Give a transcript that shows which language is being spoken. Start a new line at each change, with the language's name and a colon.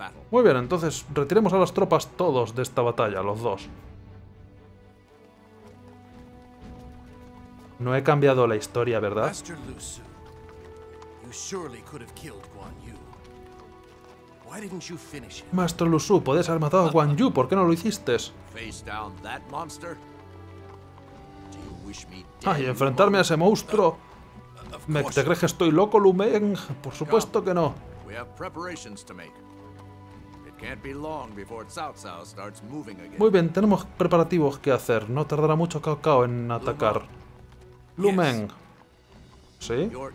Spanish: Muy bien, entonces retiremos a las tropas todos de esta batalla, los dos. No he cambiado la historia, ¿verdad?
English: Master Lu Su, you surely could have killed Guan Yu. Why didn't you finish him?
Spanish: Master Lu Su, podías haber matado a Guan Yu, ¿por qué no lo hiciste?
English: Face down that monster. Do you wish me dead?
Spanish: Ay, enfrentarme a ese monstruo. ¿Te crees que estoy loco, Lu Meng? Por supuesto que no.
English: We have preparations to make. It can't be long before Cao Cao starts moving again.
Spanish: Muy bien, tenemos preparativos que hacer. No tardará mucho Cao Cao en atacar. Lu Meng. ¿Sí?